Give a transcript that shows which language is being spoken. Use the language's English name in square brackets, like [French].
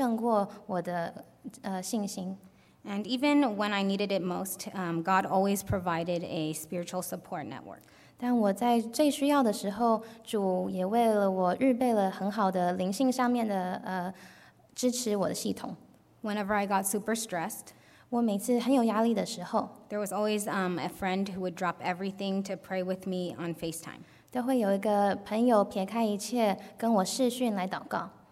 [Chinese] 虽然有了这么多安慰人的事情,但是我还是觉得我的担忧胜过我的信心。 [English] And even when I needed it most, God always provided a spiritual support network. [Chinese] 但我在最需要的时候,主也为了我预备了很好的灵性上面的支持我的系统。 [English] Whenever I got super stressed, [Chinese] 我每次很有压力的时候, [English] there was always a friend who would drop everything to pray with me on FaceTime. [Chinese] 都会有一个朋友撇开一切跟我视讯来祷告。